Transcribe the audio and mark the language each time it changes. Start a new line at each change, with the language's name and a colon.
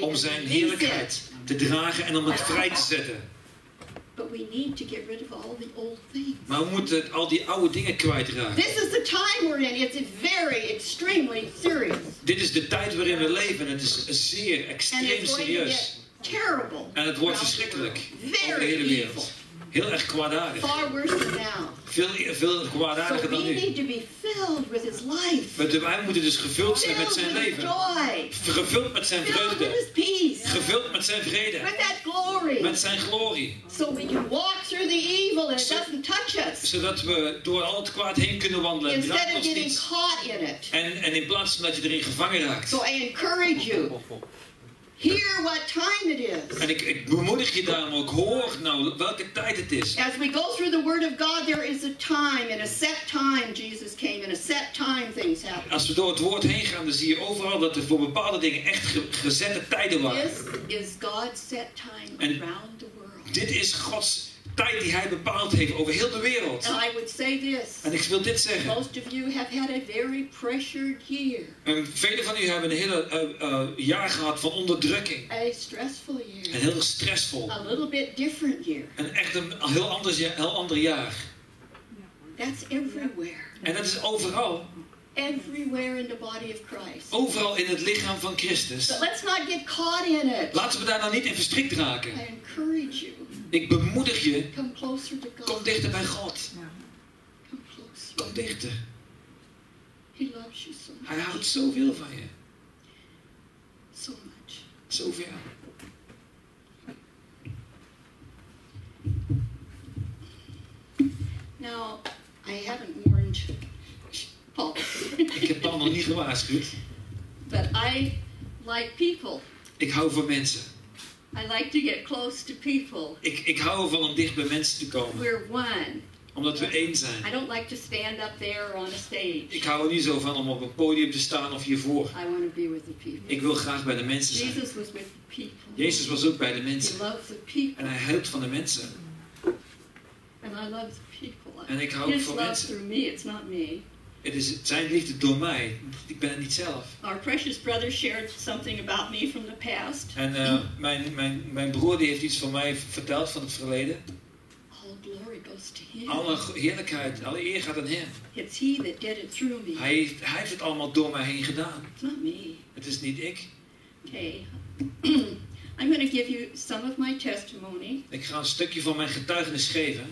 Dutch: om zijn heerlijkheid te dragen en om het vrij te zetten.
English: But we need to get rid of all the old things.
Dutch: Maar we moeten al die oude dingen kwijtraken.
English: This is the time we're in. It's very extremely serious.
Dutch: Dit is de tijd waarin we leven. Het is zeer extreem serieus.
English: Terrible.
Dutch: En het wordt verschrikkelijk. Over de hele wereld. Heel erg kwaadaardig.
English: Far worse than now.
Dutch: Veel kwaadaardiger dan nu.
English: So we need to be filled with his life.
Dutch: Wij moeten dus gevuld zijn met zijn leven. Gevuld met zijn vreugde. Gevuld met zijn vrede.
English: With that glory.
Dutch: Met zijn glorie.
English: So we can walk through the evil and it doesn't touch us.
Dutch: Zodat we door al het kwaad heen kunnen wandelen.
English: Instead of getting caught in it.
Dutch: En in plaats van dat je erin gevangen raakt.
English: So I encourage you. Hear what time it is.
Dutch: En ik bemoedig je daarom ook. Hoor nou welke tijd het is.
English: As we go through the word of God, there is a time and a set time Jesus came and a set time things happen.
Dutch: Als we door het woord heen gaan, dan zie je overal dat er voor bepaalde dingen echt gezette tijden waren.
English: This is God's set time around the world.
Dutch: Dit is Gods tijd die hij bepaald heeft over heel de wereld.
English: And I would say this.
Dutch: En ik wil dit zeggen.
English: Most of you have had a very pressured year.
Dutch: En vele van u hebben een hele jaar gehad van onderdrukking.
English: A stressful year.
Dutch: Een heel stressvol.
English: A little bit different year.
Dutch: En echt een heel anders jaar.
English: That's everywhere.
Dutch: En dat is overal.
English: Everywhere in the body of Christ.
Dutch: Overal in het lichaam van Christus.
English: But let's not get caught in it.
Dutch: Laten we daar dan niet in verstrikt raken.
English: I encourage you.
Dutch: Ik bemoedig je.
English: Come closer to God.
Dutch: Kom dichter bij God.
English: Yeah. Come closer.
Dutch: Kom dichter.
English: He loves you so much.
Dutch: Hij houdt zoveel van je.
English: So much.
Dutch: Zoveel.
English: Now, I haven't warned Paul.
Dutch: Ik heb Paul nog niet gewaarschuwd.
English: But I like people.
Dutch: Ik hou van mensen.
English: I like to get close to people.
Dutch: Ik hou ervan om dicht bij mensen te komen.
English: We're one.
Dutch: Omdat we één zijn.
English: I don't like to stand up there on a stage.
Dutch: Ik hou er niet zo van om op een podium te staan of hiervoor.
English: I want to be with the people.
Dutch: Ik wil graag bij de mensen zijn.
English: Jesus was with the people.
Dutch: Jezus was ook bij de mensen.
English: He loves the people.
Dutch: En hij houdt van de mensen.
English: And I love the people.
Dutch: En ik hou van mensen.
English: His love through me, it's not me.
Dutch: Het is zijn liefde door mij. Ik ben het niet zelf.
English: Our precious brother shared something about me from the past.
Dutch: En mijn broer die heeft iets van mij verteld van het verleden.
English: All glory goes to him.
Dutch: Alle heerlijkheid, alle eer gaat aan hem.
English: It's he that did it through me.
Dutch: Hij heeft het allemaal door mij heen gedaan.
English: It's not me.
Dutch: Het is niet ik.
English: Okay. I'm going to give you some of my testimony.
Dutch: Ik ga een stukje van mijn getuigenis geven.